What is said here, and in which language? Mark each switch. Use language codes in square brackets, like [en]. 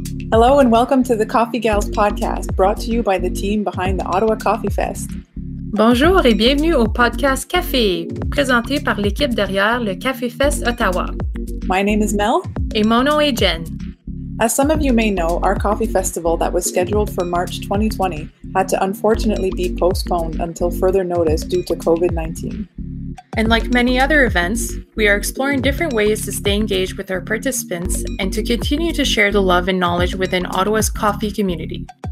[en] Hello and welcome to the Coffee Gals podcast, brought to you by the team behind the Ottawa Coffee Fest. [fr] Bonjour et bienvenue au podcast Café, présenté par l'équipe derrière le Café Fest Ottawa. [en] My name is Mel. [fr] Et mon nom est Jen. [en] As some of you may know, our coffee festival that was scheduled for March 2020 had to unfortunately be postponed until further notice due to COVID-19. And like many other events, we are exploring different ways to stay engaged with our participants and to continue to share the love and knowledge within Ottawa's coffee community.